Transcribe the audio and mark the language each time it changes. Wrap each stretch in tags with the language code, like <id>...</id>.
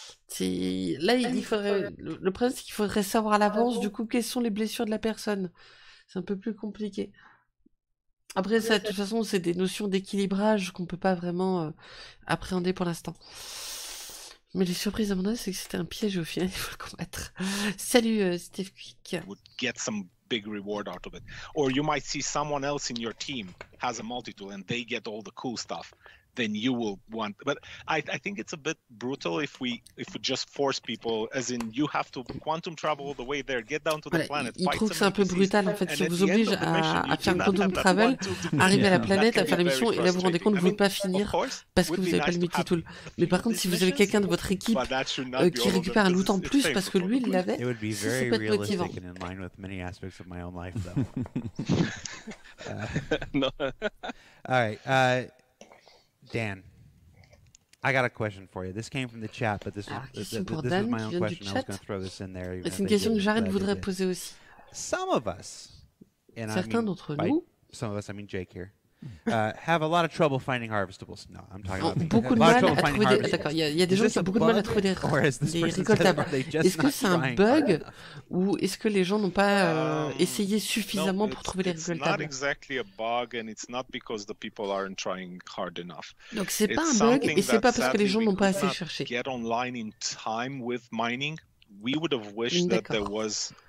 <fr>Le problème c'est qu'il faudrait savoir à l'avance du coup quelles sont les blessures de la personne. C'est un peu plus compliqué. Après ça, de toute façon, c'est des notions d'équilibrage qu'on peut pas vraiment appréhender pour l'instant. Mais les surprises à mon avis, c'est que c'était un piège et au final, il faut le combattre. Salut, Steve Quick.</fr> <en>Would get some big reward out of it. Or you might see someone else in your team has a multi-tool and they get all the cool stuff. Then you will want... But I think it's a bit brutal if we just force people, as in you have to quantum travel all the way there, get down to the planet, fight some...</en> <fr>Il trouve que c'est un peu brutal, en fait, si vous oblige à faire quantum travel, arriver à la planète, à faire la mission, et là vous rendez compte que vous ne pouvez pas finir parce que vous n'avez pas le multi-tool. Mais par contre, si vous avez quelqu'un de votre équipe qui récupère un loot en plus parce que lui, il l'avait, ça peut être motivant.</fr> <en>It would be very realistic and in line with many aspects of my own life, though. All right, Dan, I got a question for you. This came from the chat, but this is my own question. I was going to throw this in there.</en> <fr>C'est une question que Jared voudrait poser aussi.</fr> <en>Some of us, and</en> <fr>certains d'entre nous,</fr> <en>some of us, I mean Jake here, have a lot of trouble finding harvestables. No, I'm talking about</en> <fr>beaucoup de mal à trouver des... D'accord, il y a des gens qui ont beaucoup de mal à trouver des récoltables. Est-ce que c'est un bug ou est-ce que les gens n'ont pas essayé suffisamment pour trouver les récoltables?</fr> <en>It's not exactly a bug and it's not because the people aren't trying hard enough.</en> <fr>Donc c'est pas un bug et c'est pas parce que les gens n'ont pas assez cherché.</fr> <en>Get online in time with mining. We would have wished that there was...</en>